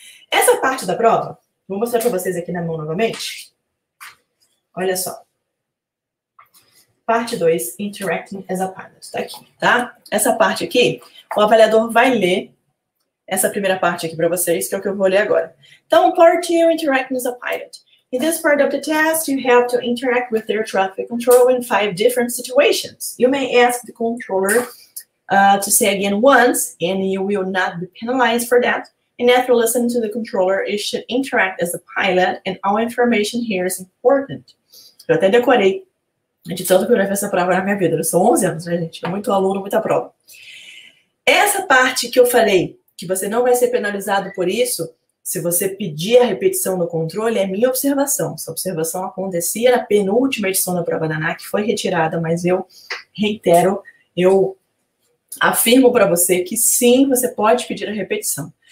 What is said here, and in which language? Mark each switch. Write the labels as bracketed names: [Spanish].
[Portuguese] Essa parte da prova, vou mostrar para vocês aqui na mão novamente. Olha só. Parte 2, [English] Interacting as a Pilot. [Portuguese] Está aqui, tá? Essa parte aqui, o avaliador vai ler essa primeira parte aqui para vocês, que é o que eu vou ler agora. Então, [English] Part 2, Interacting as a Pilot. In this part of the test, you have to interact with air traffic control in 5 different situations. You may ask the controller to say again once, and you will not be penalized for that. And after listening to the controller, you should interact as a pilot, and all information here is important. [Portuguese] Eu até decorei. A gente sabe que eu já fiz essa prova na minha vida. Eu sou 11 anos, né, gente? Muito aluno, muita prova. Essa parte que eu falei, que você não vai ser penalizado por isso, se você pedir a repetição no controle, é minha observação. Essa observação acontecia na penúltima edição da prova da ANAC, foi retirada, mas eu reitero, eu afirmo para você que sim, você pode pedir a repetição.